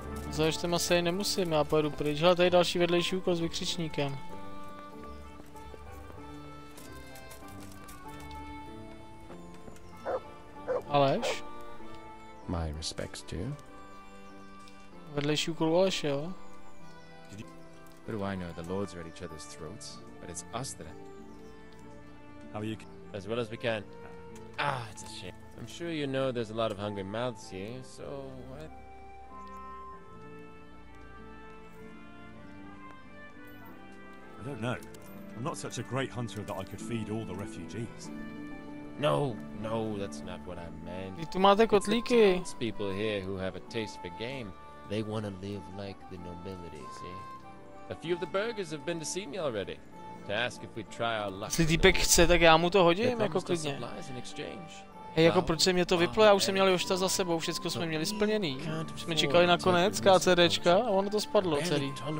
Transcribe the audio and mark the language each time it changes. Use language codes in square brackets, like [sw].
[cs] Za Joštem asi nemusím, já pojedu pryč. Hele, tady další vedlejší úkol s vykřičníkem. Aleš? [en] My respects to you. [cs] Vedlejší úkol u Aleše, jo? [en] What do I know? The lords are at each other's throats, but it's us that have... How are you? As well as we can. Ah, it's a shame. I'm sure you know there's a lot of hungry mouths here, so what? I don't know. I'm not such a great hunter that I could feed all the refugees. No, that's not what I meant. You have the townspeople here who have a taste for game. They want to live like the nobility, see? A few of the burghers have been to see me already, to ask if we try our luck. [cs] Jestli týpek chce, tak já mu to hodím, jako klidně. Hej, jako proč se mě to vyplo, já už jsem měl Jošta za sebou, všecko jsme měli splněný. Jsme čekali na konec KCDčka a ono to spadlo celý.